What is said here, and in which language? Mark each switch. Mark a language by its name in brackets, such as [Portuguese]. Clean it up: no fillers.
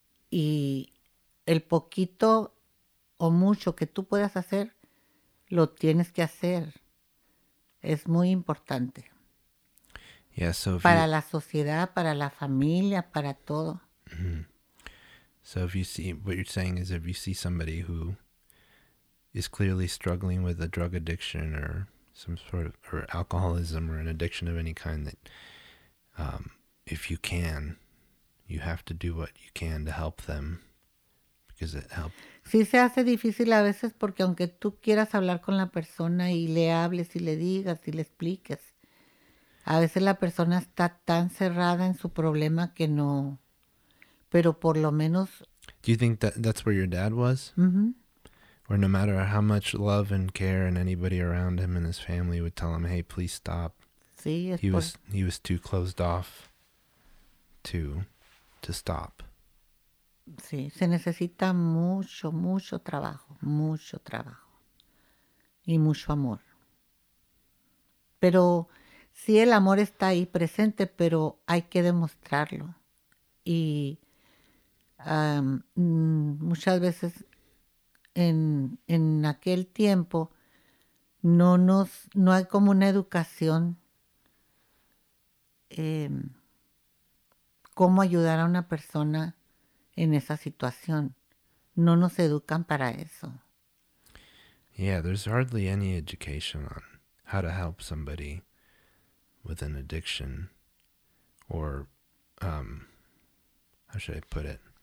[Spanish] Y el poquito o mucho que tú puedas hacer, lo tienes que hacer. Es muy importante. [English] Yeah, so [Spanish] para la sociedad, para la familia, para todo. [English] So if you see, what you're saying is if you see somebody who is clearly struggling with a drug addiction or some sort of, or alcoholism or an addiction of any kind, that if you can, you have to do what you can to help them because it helps. [Spanish] Sí, se hace difícil a veces porque aunque tú quieras hablar con la persona y le hables y le digas y le expliques, a veces la persona está tan cerrada en su problema que no, pero por lo menos... [English] Do you think that that's where your dad was? Mm-hmm. Where no matter how much love and care and anybody around him and his family would tell him, hey, please stop. [Spanish] Sí, [English] es he por... was he was too closed off to stop. [Spanish] Sí, se necesita mucho, mucho trabajo. Mucho trabajo. Y mucho amor. Pero... sí, el amor está ahí presente, pero hay que demostrarlo. Y muchas veces en aquel tiempo no hay como una educación cómo ayudar a una persona en esa situación. No nos educan para eso. [English] Yeah, there's hardly any education on how to help somebody with an addiction, or how should I put it?